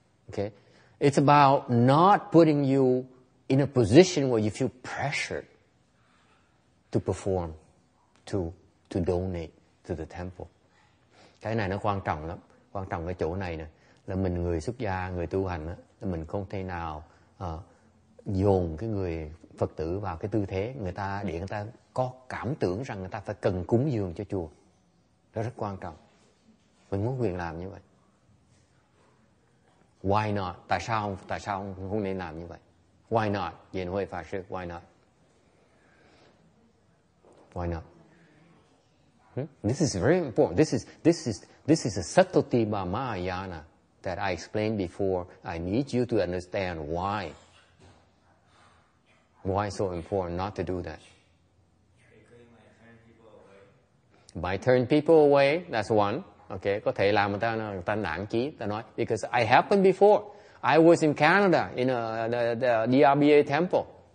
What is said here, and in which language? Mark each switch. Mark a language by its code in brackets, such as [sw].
[en] Okay, it's about not putting you in a position where you feel pressured to perform, to donate to the temple. [vi] Cái này nó quan trọng lắm. Quan trọng cái chỗ này nè, là mình người xuất gia, người tu hành, là mình không thể nào dồn cái người Phật tử vào cái tư thế người ta để người ta có cảm tưởng rằng người ta phải cần cúng dường cho chùa. Đó rất quan trọng. Mình muốn quyền làm như vậy. [en] Why not? [vi] Tại sao không nên làm như vậy? [en] Why not? Diễn Huệ Pháp Sư, why not? Why not? This is very important. This is a subtlety by Mahayana that I explained before. I need you to understand why. Why so important not to do that? might turn people away, that's one. [vi] Okay, có thể làm người ta nản chí, ta nói, [en] because I happened before. I was in Canada in the DRBA temple.